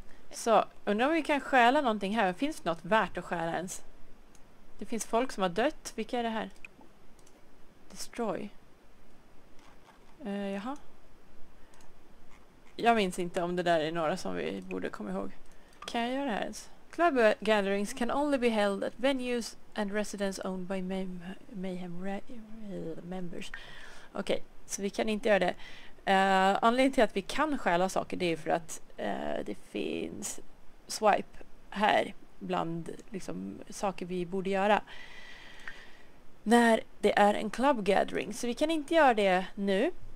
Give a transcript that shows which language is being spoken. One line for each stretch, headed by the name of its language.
Swedish: Så, undrar om vi kan stjäla någonting här. Finns det något värt att stjäla ens? Det finns folk som har dött. Vilka är det här? Destroy. Jaha. Jag minns inte om det där är några som vi borde komma ihåg. Kan jag göra det här ens?
English: Club gatherings can only be held at venues and residents owned by Mayhem members.
Swedish: Okej. Okay. Så vi kan inte göra det. Anledningen till att vi kan stjäla saker, det är för att det finns swipe här bland liksom, saker vi borde göra. När det är en club gathering. Så vi kan inte göra det nu.